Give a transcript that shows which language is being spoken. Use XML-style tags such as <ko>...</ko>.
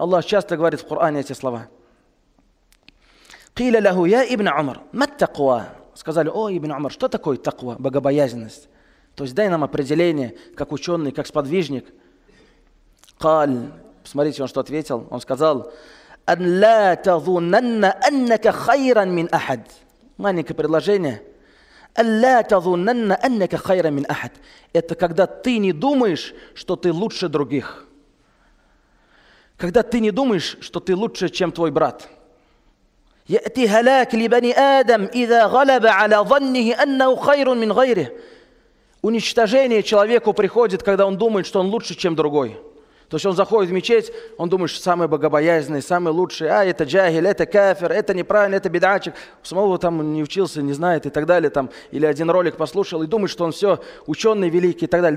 <ru>Аллах часто говорит в Коране эти слова.</ru> <ar>«Кила лаху, я ибн Умар, мат таква».</ar> <ru>Сказали, о, ибн Умар, что такое таква, богобоязненность? То есть дай нам определение, как ученый, как сподвижник. «Каль», посмотрите, он что ответил.</ru> <ar>Он сказал, أن لا تظنن أنك خيرا من أحد.</ar> <ru>Маленькое предложение.</ru> <ar>أن لا تظنن أنك خيرا من أحد.</ar> <ru>Это когда ты не думаешь, что ты лучше других. Когда ты не думаешь, что ты лучше, чем твой брат.</ru> <ar>يأتي هلاك لبني آدم إذا غلب على ظنه أنه خير من غيره.</ar> <ru>Уничтожение человеку приходит, когда он думает, что он лучше, чем другой. То есть он заходит в мечеть, он думает, что самый богобоязненный, самый лучший, а это джахиль, это кафир, это неправильно, это бедачик. Самого там не учился, не знает и так далее. Там, или один ролик послушал и думает, что он все, ученый великий и так далее.</ru>